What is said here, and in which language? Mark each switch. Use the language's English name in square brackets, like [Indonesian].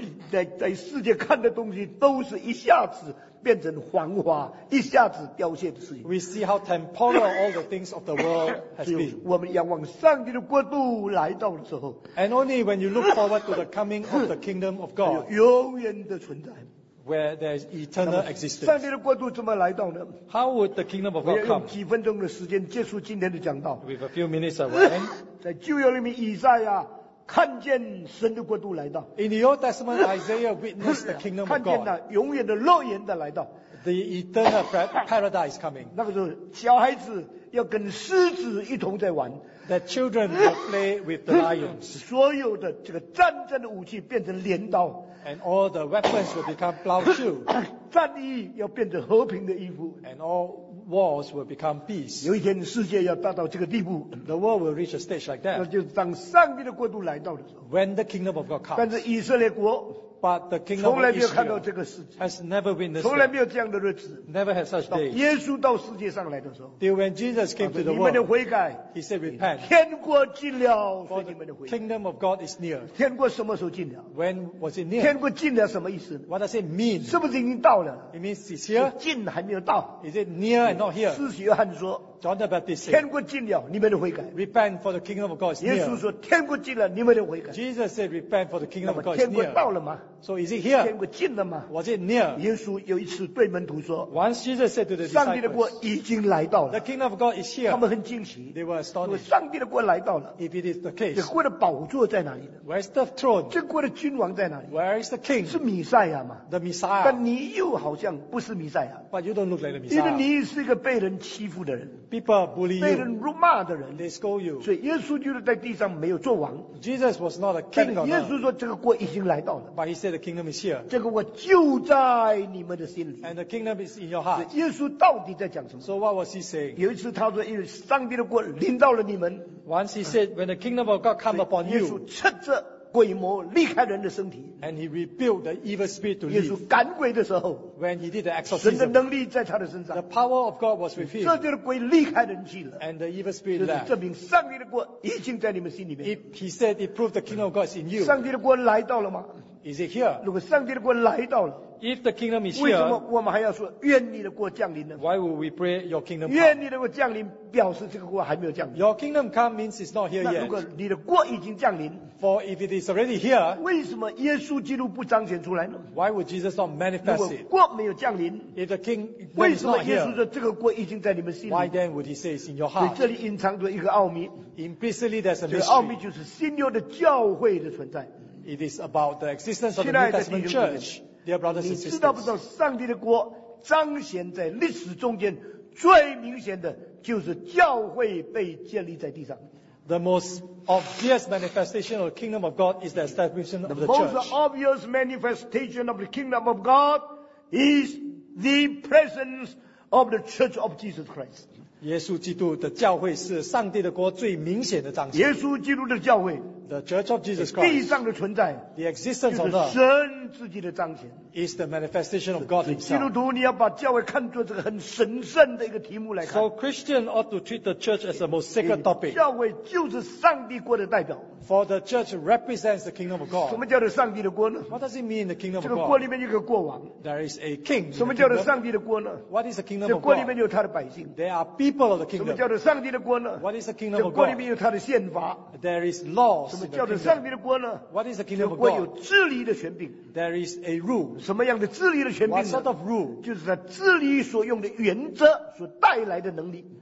[Chinese] 在世界看的东西都是一下子。变成黄花，一下子凋谢的事情。 [English] We see how temporal all the things of the world has been. [Chinese] 我们仰望上帝的国度来到的时候 [English] ，and only when you look forward to the coming of the kingdom of God, [Chinese] 永远的存在 [English] ，where there is eternal existence. [Chinese] 上帝的国度怎么来到呢 [English] ？How would the kingdom of God come? [Chinese] 我要用几分钟的时间结束今天的讲道。 [English] With a few minutes of time, [Chinese] 在旧约里面，以赛亚。看见神的国度来到 [English] In the Old Testament, Isaiah witnessed the kingdom of God. [Chinese] 看见了永远的乐园的来到 [English] The eternal paradise coming. [Chinese] 那个时候小孩子要跟狮子一同在玩 [English] The children will play with the lions. [Chinese] 所有的这个战争的武器变成镰刀 [English] And all the weapons will become plowshare. [Chinese] 战衣要变成和平的衣服 [English] And all walls will become peace. [Chinese] 有一天世界要达到这个地步 [English] The world will reach a stage like that. [Chinese] 那就是当上帝的国度来到的时候 [English] When the kingdom of God comes. [Chinese] 但是以色列国 [English] But the kingdom of [Chinese] Israel 从来没有看到这个世界 [English] Has never witnessed it. [Chinese] 从来没有这样的日子 [English] Never had such days. [Chinese] 耶稣到世界上来的时候 [English] Till when Jesus came to the world. [Chinese] 你们的悔改 [English] He said repent. [Chinese] 天国近了所以你们的悔改 [English] The kingdom of God is near. [Chinese] 天国什么时候近了 [English] When was it near? [Chinese] 天国近了什么意思 [English] What does it mean? [Chinese] 是不是已经到了 [English] It means it's here. [Chinese] 近还没有到 [English] Is it near? Not here. [Chinese] 施洗约翰说 [English] John the Baptist said, [Chinese] 天国近了你们的悔改 [English] Repent for the kingdom of God is near [Chinese] 耶稣说天国近了你们的悔改 [English] Jesus said repent for the kingdom of God is near [Chinese] 那么天国到了吗 [English] So is it here [Chinese] 天国近了吗 [English] Was it near [Chinese] 耶稣有一次对门徒说 [English] Once Jesus said to the disciples [Chinese] 上帝的国已经来到了 [English] The kingdom of God is here [Chinese] 他们很惊奇 [English] They were astonished [Chinese] 因为上帝的国来到了 [English] If it is the case [Chinese] 这国的宝座在哪里呢 [English] Where is the throne [Chinese] 这国的君王在哪里 [English] Where is the king [Chinese] 是弥赛亚吗 [English] The Messiah [Chinese] 但你又好像不是弥赛亚 [English] But you don't look like the Messiah [Chinese] 因为你是一个被人欺负的人 [English] People bully you [Chinese] 被人辱骂的人 [English] They scold you [Chinese] 所以耶稣就是在地上没有做王 [English] Jesus was not a king [Chinese] 但耶稣说这个国已经来到了 [English] But he said the kingdom is here [Chinese] 这个国就在你们的心里 [English] And the kingdom is in your heart [Chinese] 耶稣到底在讲什么 [English] So what was he saying [Chinese] 有一次他说因为上帝的国临到了你们 [English] Once he said when the kingdom of God come upon you [Chinese] 耶稣斥责鬼魔离开人的身体 [English] And he rebuilt the evil spirit to leave [Chinese] 耶稣赶鬼的时候 [English] When he did the exorcism [Chinese] 神的能力在他的身上 [English] The power of God was with him [Chinese] 这就是鬼离开人去了 [English] And the evil spirit left [Chinese] 就是证明上帝的国已经在你们心里面 [English] He said it proved the kingdom of God is in you [Chinese] 上帝的国来到了吗 [English] Is it here? [Chinese] 如果上帝的国来到了 [English] If the kingdom is here [Chinese] 为什么我们还要说愿你的国降临呢 [English] Why would we pray your kingdom come? [Chinese] 愿你的国降临表示这个国还没有降临 [English] Your kingdom come means it's not here yet [Chinese] 那如果你的国已经降临 [English] For if it is already here, [Chinese] 为什么耶稣基督不彰显出来呢 [English] ？Why would Jesus not manifest it? [Chinese] 如果国没有降临 [English] ，If the king [Chinese] 为什么耶稣说这个国已经在你们心里 [English] ？Why then would he say it's in your heart? [Chinese] 这里隐藏着一个奥秘 [English] ，Implicitly there's a mystery. [Chinese] 这个奥秘就是新约的教会的存在。 [English] It is about the existence of the New Testament church, dear brothers and sisters. [Chinese] 你知道不知道上帝的国彰显在历史中间最明显的就是教会被建立在地上。 [English] The most obvious manifestation of the kingdom of God is the establishment of the church. The most obvious manifestation of the kingdom of God is the presence of the church of Jesus Christ. [Chinese] 耶稣基督的教会是上帝的国最明显的彰显。耶稣基督的教会 [English] ，the church of Jesus Christ， [Chinese] 地上的存在 [English] ，the existence of God， [Chinese] 就是神自己的彰显。 [English] Is the manifestation of God himself. [Chinese] 基督徒，你要把教会看作这个很神圣的一个题目来看。 [English] So Christian ought to treat the church as the most sacred topic. [Chinese] 教会就是上帝国的代表。 [English] For the church represents the kingdom of God. [Chinese] 什么叫做上帝的国呢 [English] ？What does it mean the kingdom of God? [Chinese] 这个国里面有个国王。 [English] There is a king. [Chinese] 什么叫做上帝的国呢 [English] ？What is the kingdom of God? [Chinese] 这国里面有他的百姓。 [English] There are people of the kingdom. [Chinese] 什么叫做上帝的国呢 [English] ？What is the kingdom of God? [Chinese] 这国里面有他的宪法。 [English] There is laws. [Chinese] 什么叫做上帝的国呢 [English] ？What is the kingdom of God? [Chinese] 这国有治理的权柄。 [English] There is a rule. [Chinese] 什么样的治理的权柄呢 [English] What sort of rule? [Chinese] 就是在治理所用的原则所带来的能力